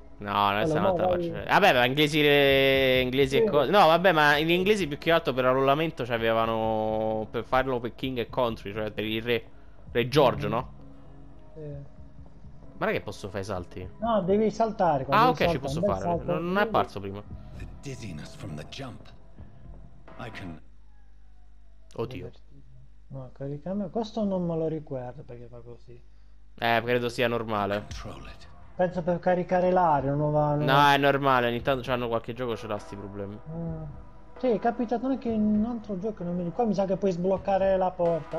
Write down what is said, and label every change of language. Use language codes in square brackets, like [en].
[it] No, non allora, è un'altra faccia. Vabbè, ma inglesi, inglesi sì, e cose. No, vabbè, ma gli inglesi più che altro per arruolamento ci avevano. Per farlo per King e Country, cioè per il re Giorgio, no? Sì. Ma non è che posso fare i salti? No, devi saltare. Ah, ok, saltare, ci posso fare. Salto. Non è apparso prima. [en] The dizziness from the jump. I can... Oddio. [it] No, caricamelo. Questo non me lo ricordo perché fa così. Credo sia normale. Penso per caricare l'aria, non va. No, è normale. Ogni tanto c'hanno qualche gioco, ce l'ha sti problemi. Sì, è capitato anche in un altro gioco. Non mi... Qua mi sa che puoi sbloccare la porta.